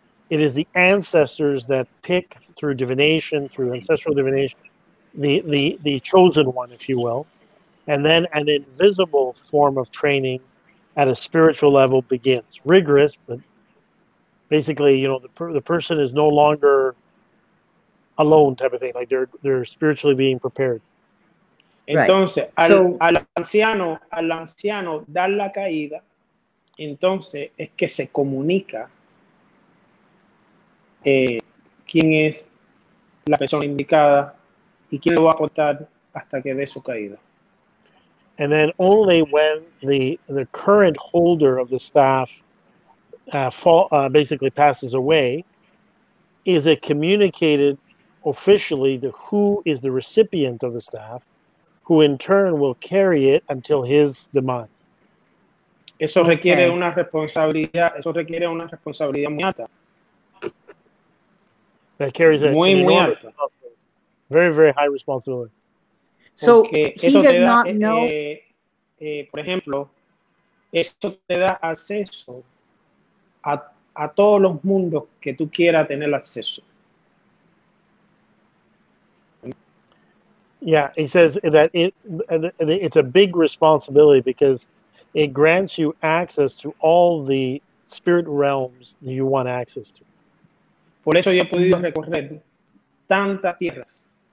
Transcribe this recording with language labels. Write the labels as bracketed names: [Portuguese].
[English] It is the ancestors that pick through divination, through ancestral divination, the chosen one, if you will. And then an invisible form of training at a spiritual level begins. Rigorous, but basically, you know, the person is no longer alone type of thing. Like they're spiritually being prepared. [Spanish] Entonces, right. al anciano da la caída, entonces es que se comunica. ¿Quién es la persona indicada y quién lo va a aportar hasta que dé su caída? [English] And then only when the current holder of the staff basically passes away is it communicated officially to who is the recipient of the staff, who in turn will carry it until his demise. [Spanish] Eso requiere okay. una responsabilidad muy alta. [English] That carries a [Spanish] muy, muy [English] very, very high responsibility. So he does not know. [Spanish] Por ejemplo, eso te da acceso a todos los mundos que tú quieras tener acceso. [English] Yeah, he says that it's a big responsibility because it grants you access to all the spirit realms you want access to. [Spanish] Por eso yo he podido recorrer tantas tierras.